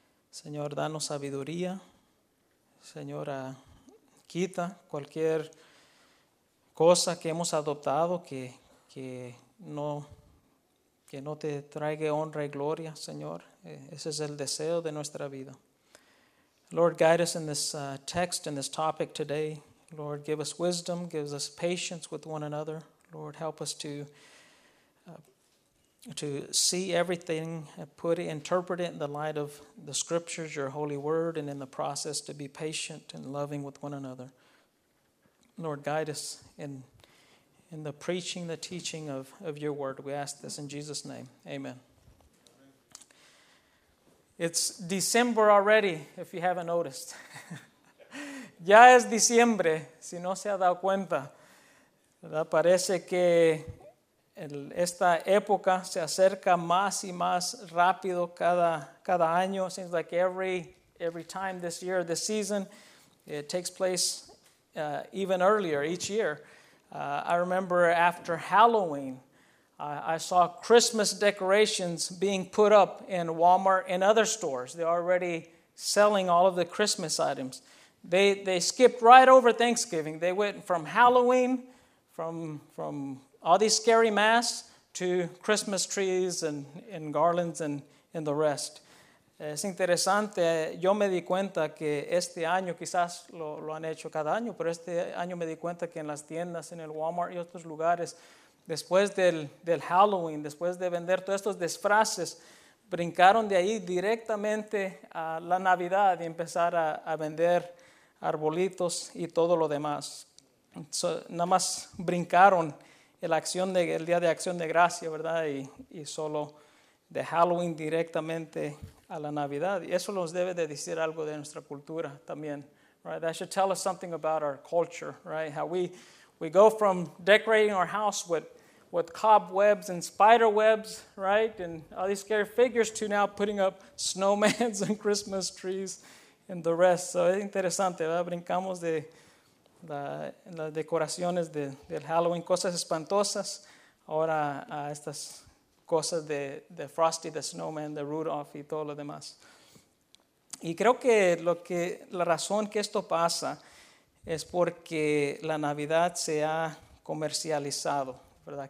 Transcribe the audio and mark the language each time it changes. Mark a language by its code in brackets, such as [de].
[es] Señor, danos sabiduría. Señor, quita cualquier cosa que hemos adoptado que no te traiga honra y gloria, Señor. Ese es el deseo de nuestra vida. [en] Lord, guide us in this text, in this topic today. Lord, give us wisdom, give us patience with one another. Lord, help us to see everything, interpret it in the light of the scriptures, your holy word, and in the process to be patient and loving with one another. Lord, guide us in the preaching, the teaching of your word. We ask this in Jesus' name. Amen. It's December already, if you haven't noticed. [es] Ya es diciembre, si no se ha dado cuenta. Parece que esta época se acerca más y más rápido cada año. [en] It seems like every time this year, this season, it takes place even earlier each year. I remember after Halloween, I saw Christmas decorations being put up in Walmart and other stores. They're already selling all of the Christmas items. They skipped right over Thanksgiving. They went from Halloween, from all these scary masks, to Christmas trees and garlands and the rest. [es] Es interesante, yo me di cuenta que este año, quizás lo han hecho cada año, pero este año me di cuenta que en las tiendas, en el Walmart y otros lugares, después del Halloween, después de vender todos estos disfraces, brincaron de ahí directamente a la Navidad y empezar a vender arbolitos y todo lo demás. So, nada más brincaron el Día de Acción de Gracia, ¿verdad? Y solo de Halloween directamente a la Navidad. Y eso nos debe de decir algo de nuestra cultura también, right? [en] That should tell us something about our culture, right? How we go from decorating our house with cobwebs and spider webs, right? And all these scary figures to now putting up snowmans and Christmas trees and the rest. [es] So es interesante, ¿verdad? Brincamos de las decoraciones del Halloween, cosas espantosas, ahora a estas cosas de Frosty, the Snowman, the Rudolph y todo lo demás. Y creo que la razón que esto pasa es porque la Navidad se ha comercializado, ¿verdad?